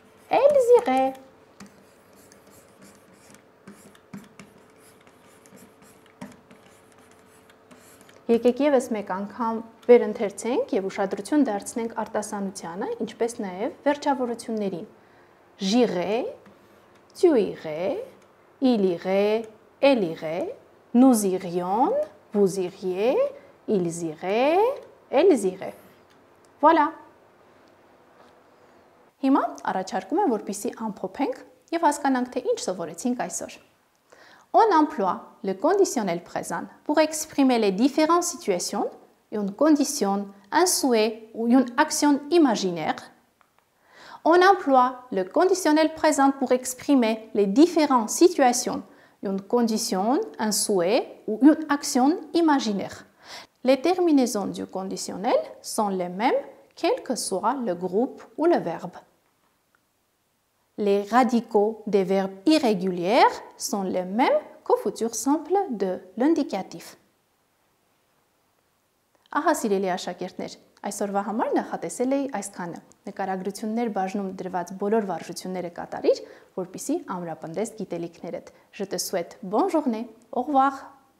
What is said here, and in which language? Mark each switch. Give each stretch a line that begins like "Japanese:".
French: Elles iraient.
Armenian: Եկեք եւս մեկ անգամ վերընթերցենք եւ ուշադրություն դարձնենք արտասանությանը, ինչպես նաեւ վերջավորություններին.
French: Ժիղե, tu irais, il irait, elle irait, nous irions, vous iriez, ils iraient, elles iraient. Voilà.
Armenian: Հիմա առաջարկում եմ, որպեսզի ամփոփենք եւ հասկանանք, թե ինչ սովորեցինք այսօր.
French: On emploie le conditionnel présent pour exprimer les différentes situations, une condition, un souhait ou une action imaginaire. On emploie le conditionnel présent pour exprimer les différentes situations, une condition, un souhait ou une action imaginaire. Les terminaisons du conditionnel sont les mêmes, quel que soit le groupe ou le verbe. Les radicaux des verbes irréguliers sont les mêmes qu'au futur simple de l'indicatif.
Armenian: Ահա սիրելի աշակերտներ, այսօրվա համար նախատեսել էի այսքանը։ Նկարագրություններ բաժնում դրված բոլոր վարժությունները կատարիր, որպեսզի ամրապնդես գիտելիքներդ։
French: Je te souhaite bonne journée. Au revoir.